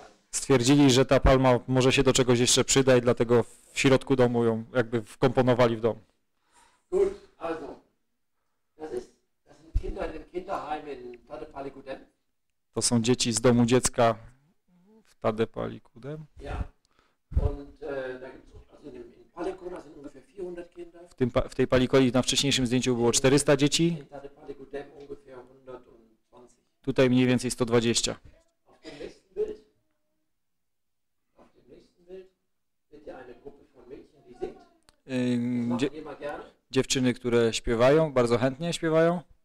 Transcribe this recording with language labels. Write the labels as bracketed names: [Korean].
[Polish] Stwierdzili, że ta palma może się do czegoś jeszcze przydać, dlatego w środku domu ją jakby wkomponowali w dom. [German] Gut, also, das sind Kinder in dem Kinderheim in Tadepalikudem. [Polish] To są dzieci z domu dziecka w Tadepalikudem. [German] Ja. Und da gibt's also in Palikona sind ungefähr 400 Kinder. [Polish] W tej Palikoli na wcześniejszym zdjęciu było 400 dzieci. [German] In Tadepalikudem ungefähr 120. [Polish] Tutaj mniej więcej 120. Dziewczyny, które śpiewają, bardzo chętnie śpiewają.